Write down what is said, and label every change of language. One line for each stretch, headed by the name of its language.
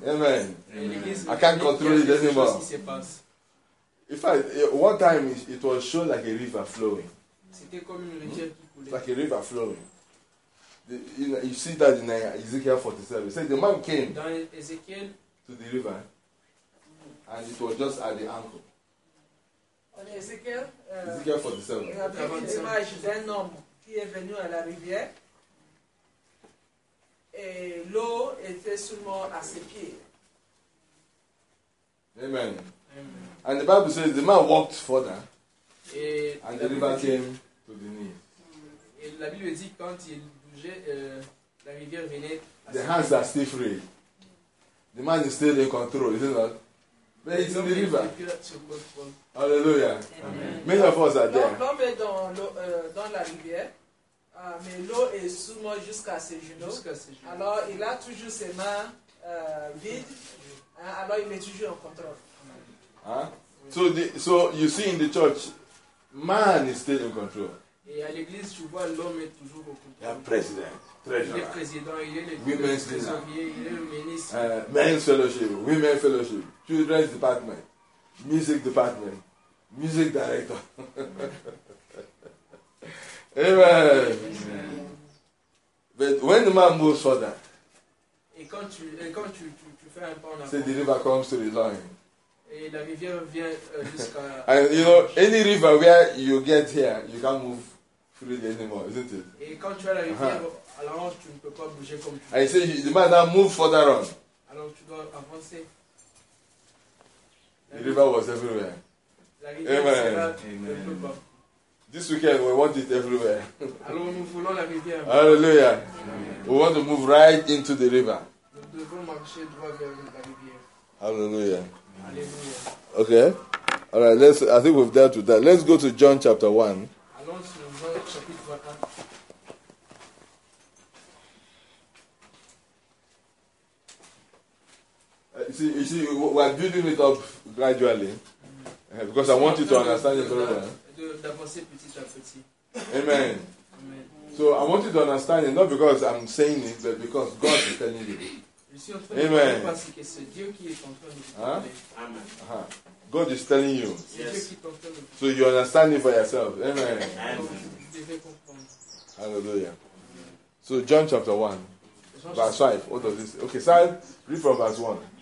English: Amen. I can't control it anymore. In fact, one time it was shown like a river flowing.
French: C'était comme une rivière qui coulait.
English: Like a river flowing. you see that in Ezekiel 47. It says the man came Ezekiel, to the river, and it was just at the ankle. Ezekiel 47.
French: Il y avait une image d'un homme qui est venu à la rivière et l'eau était seulement à ses pieds.
English: Amen. Amen. And the Bible says the man walked further
French: et
English: and the river came to the knee.
French: Et la Bible dit quand il bougeait, la rivière venait à ses pieds.
English: The hands are still free. The man is still in control, isn't it?
French: Mais il est dans le river. Alléluia.
English: Amen. Many of us are there.
French: L'homme est dans la rivière, mais l'eau est seulement jusqu'à ses genoux. Alors il a toujours ses mains vides. Alors il est toujours en contrôle. So you see in the church, man is still in control. Et à l'église, tu vois l'homme est toujours au contrôle. Il est président. Il est président. Il est le ministre. Il est le ministre.
English: Men's fellowship, women's fellowship. Children's department, music department, music director. Amen. But when the man moves further,
French: et quand tu fais un pas en avant,
English: the river comes to the line.
French: Et la rivière vient jusqu'à.
English: And you know, any river where you get here, you can't move freely anymore, isn't it?
French: Et quand tu as la rivière, alors tu ne peux pas bouger comme tu veux.
English: I say the man now move further on.
French: Alors tu dois avancer.
English: The river was everywhere. Amen. This weekend we want it everywhere.
French: Alors nous voulons la rivière.
English: Hallelujah. Amen. We want to move right into the river.
French: Nous devons marcher droit vers la rivière.
English: Hallelujah. Hallelujah. Okay. All right. I think we've dealt with that. Let's go to John chapter 1.
French: Allons sur Jean chapitre 1.
English: You see, we are building it up gradually, because I want you to understand it better.
French: D'avancer petit à petit.
English: Amen. Amen. So I want you to understand it, not because I'm saying it, but because God is telling you.
French: Je suis en train
English: Amen.
French: De parler parce que c'est Dieu qui est en train de vous parler.
English: Amen. God is telling you. Yes. So you understand it for yourself. Amen. Amen.
French: Vous devez comprendre.
English: Hallelujah. So John chapter 1. Verse 5, what does this? Okay, Sal, read from verse 1.